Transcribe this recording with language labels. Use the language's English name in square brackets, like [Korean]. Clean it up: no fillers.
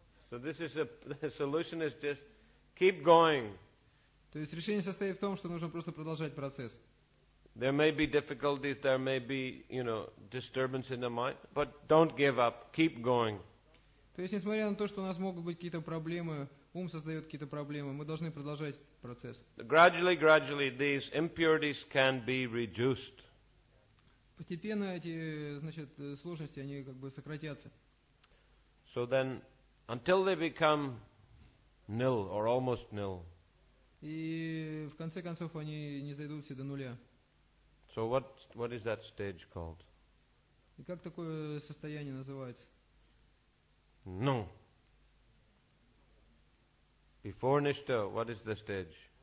[English] So this is the solution is just keep going. [Russian] То есть решение состоит в том, что нужно просто продолжать процесс. [English] There may be difficulties, there may be, you know, disturbance in the mind, but don't give up, keep going. [Russian] То есть, несмотря на то, что у нас могут быть какие-то проблемы, ум создает какие-то проблемы, мы должны продолжать процесс. [English] Gradually, these impurities can be reduced. [Russian] Постепенно эти, значит, сложности, они как бы сократятся. [English] So then, until they become nil or almost nil. [Russian] И в конце концов они не зайдут все до нуля. [English] So what is that stage called? [Russian] И как такое состояние называется? [English] No. Before Nishta, what is the stage?